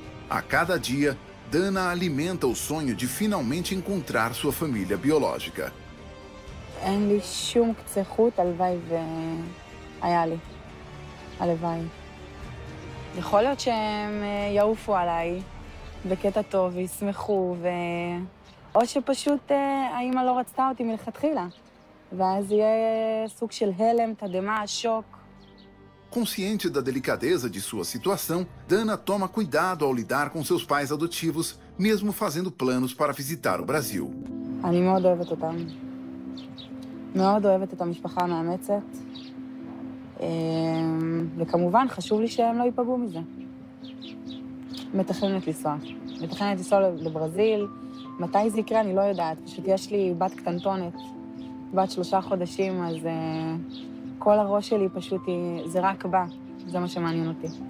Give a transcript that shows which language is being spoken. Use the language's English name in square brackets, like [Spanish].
[Portuguese] A cada dia, Dana alimenta o sonho de finalmente encontrar sua família biológica. [Hebrew] אין לי שום קצה חוט, הלוואי והיה לי. הלוואי. יכול להיות שהם יעופו עליי בקטע טוב, ישמחו, או שפשוט האמא לא רצתה אותי מלכתחילה. ואז יהיה סוג של הלם, תדמה, שוק. [Portuguese] Consciente da delicadeza de sua situação, Dana toma cuidado ao lidar com seus pais adotivos, mesmo fazendo planos para visitar o Brasil. [Hebrew] אני מאוד אוהבת אותם. מאוד אוהבת את המשפחה המאמצת, וכמובן חשוב לי שהם לא ייפגעו מזה. מתכננת לנסוע לברזיל, מתי זה יקרה אני לא יודעת, פשוט יש לי בת קטנטונת, בת 3 חודשים, אז כל הראש שלי פשוט זה רק בא, זה מה שמעניין אותי.